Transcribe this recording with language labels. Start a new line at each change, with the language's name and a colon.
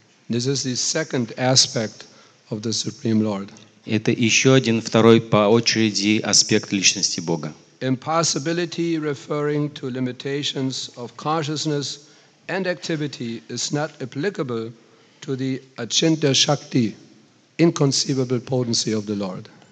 English: This is the second aspect of the Supreme Lord.
Russian: Это еще один второй по очереди аспект личности Бога.
English: Impossibility referring to limitations of consciousness and activity is not applicable to the Achintya Shakti, inconceivable potency of the Lord.